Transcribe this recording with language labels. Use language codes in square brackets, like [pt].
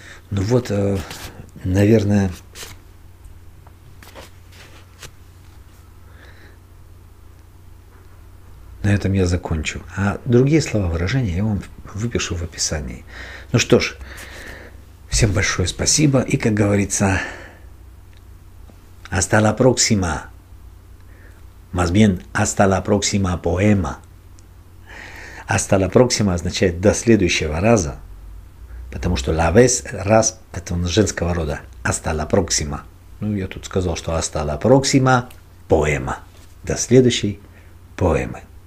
[ru] Ну вот, наверное, на этом я закончу. А другие слова, выражения я вам выпишу в описании. Ну что ж, всем большое спасибо. И, как говорится, [es] hasta la próxima. Más bien, hasta la próxima poema. Hasta la próxima [ru] означает до следующего раза, потому что la vez, раз, это он женского рода. [es] Hasta la próxima. [ru] Ну, я тут сказал, что [es] hasta la próxima poema. [ru] До следующей поэмы.